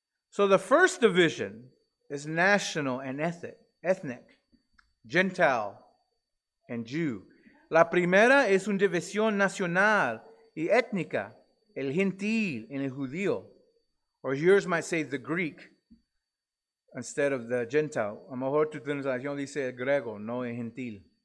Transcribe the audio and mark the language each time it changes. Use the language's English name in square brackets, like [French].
[English] So the first division is national and ethnic, Gentile and Jew. [Spanish] La primera es una división nacional y étnica, el gentil y el judío. [English] Or yours might say the Greek instead of the Gentile. [Spanish] A lo mejor tu traducción dice el griego, no el gentil.